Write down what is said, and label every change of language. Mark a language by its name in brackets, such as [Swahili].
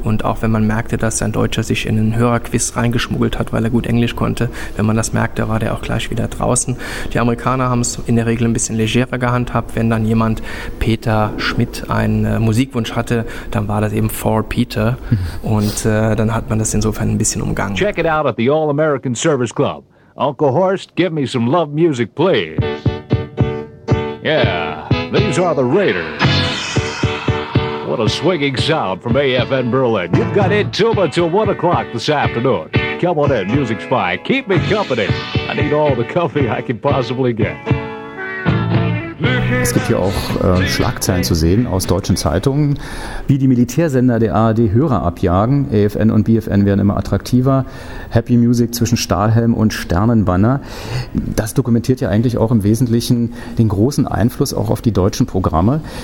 [German] Und auch wenn man merkte, dass ein Deutscher sich in einen Hörerquiz reingeschmuggelt hat, weil er gut Englisch konnte, wenn man das merkte, war der auch gleich wieder draußen. Die Amerikaner haben es in der Regel ein bisschen legerer gehandhabt, wenn dann jemand Peter Schmidt einen Musikwunsch hatte, dann war das eben [English] For Peter, [German] und dann hat man das insofern ein bisschen umgangen. [English] Check it out at the All-American Service Club. Uncle Horst, give me some love music, please. Yeah, these are the Raiders. What a swinging sound from AFN Berlin. You've got Intuba till 1 o'clock this afternoon. Come on in, music's fine. Keep me company. I need all the company I can possibly get. [German] Es gibt hier auch Schlagzeilen zu sehen aus deutschen Zeitungen, wie die Militärsender der ARD Hörer abjagen. AFN und BFN werden immer attraktiver. Happy Music zwischen Stahlhelm und Sternenbanner. Das dokumentiert ja eigentlich auch im Wesentlichen den großen Einfluss auch auf die deutschen Programme.